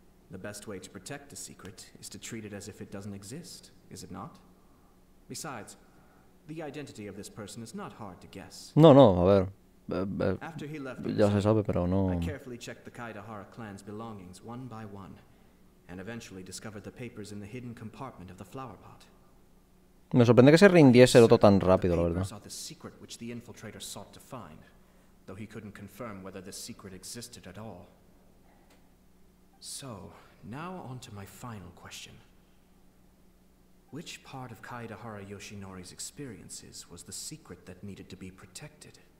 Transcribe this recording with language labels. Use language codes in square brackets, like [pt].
[en] The best way to protect a secret is to treat it as if it doesn't exist, is it not? Besides, the identity of this person is not hard to guess. [es] No, no, a ver. [en] After he left, [es] ya se sabe, pero no. [en] I carefully checked the Kaidahara clan's belongings one by one, and eventually discovered the papers in the hidden compartment of the flower pot. [es] Me sorprende que se rindiese el otro tan rápido, la verdad. [en] The secret which the infiltrator sought to find, though he couldn't confirm whether the secret existed at all. So, now on to my final question. Which part of Kaidahara Yoshinori's experiences was the secret that needed to be protected?